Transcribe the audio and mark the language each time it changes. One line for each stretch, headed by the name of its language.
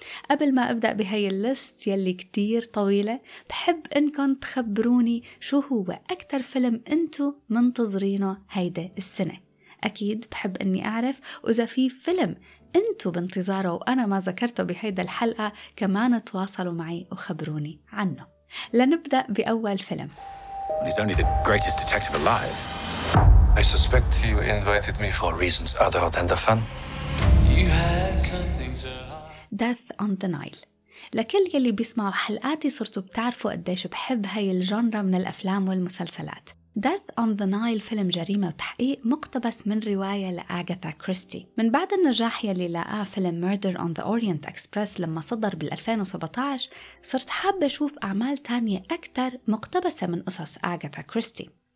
Arabic: قبل ما أبدأ بهاي الليست يلي كتير طويلة، بحب إنكم تخبروني شو هو أكتر فيلم أنتو منتظرينه هيدا السنة. أكيد بحب أني أعرف، وإذا في فيلم أنتو بانتظاره وأنا ما ذكرته بهيدا الحلقة كمان تواصلوا معي وخبروني عنه. لنبدأ بأول فيلم.
English: He's only the greatest detective alive. I suspect you invited me for reasons other than the fun. You had something to hide. Death on the Nile.
Arabic: لكل يلي بيسمعوا حلقاتي صرتوا بتعرفوا قديش بحب هاي الجنرة من الأفلام والمسلسلات. Death on the Nile فيلم جريمة وتحقيق مقتبس من رواية لأغاثا كريستي. من بعد النجاح يلي لقاه فيلم Murder on the Orient Express لما صدر بال2017، صرت حابة أشوف أعمال تانية أكتر مقتبسة من قصص أغاثا كريستي.